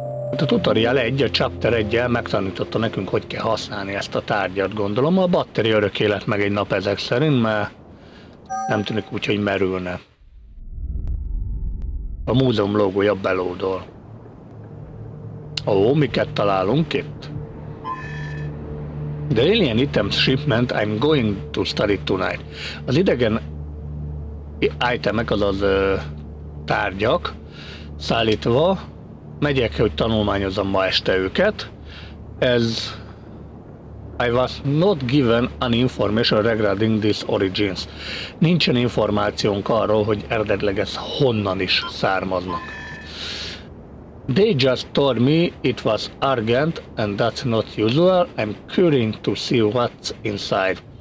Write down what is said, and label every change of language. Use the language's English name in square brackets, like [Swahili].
[Hungarian] A tutorial 1, a chapter 1-el megtanította nekünk, hogy kell használni ezt a tárgyat, gondolom. A batteri örök élet meg egy nap ezek szerint, mert nem tűnik úgy, hogy merülne. A múzeum logója belódol. Ó, miket találunk itt? [English] The alien items shipment I'm going to study tonight. [Hungarian] Az idegen itemek, azaz tárgyak szállítva megyek, hogy tanulmányozom ma este őket. Ez... [English] I was not given an information regarding these origins. [Hungarian] Nincsen információnk arról, hogy eredetleg ez honnan is származnak. [English] They just told me it was argent, and that's not usual. I'm curious to see what's inside.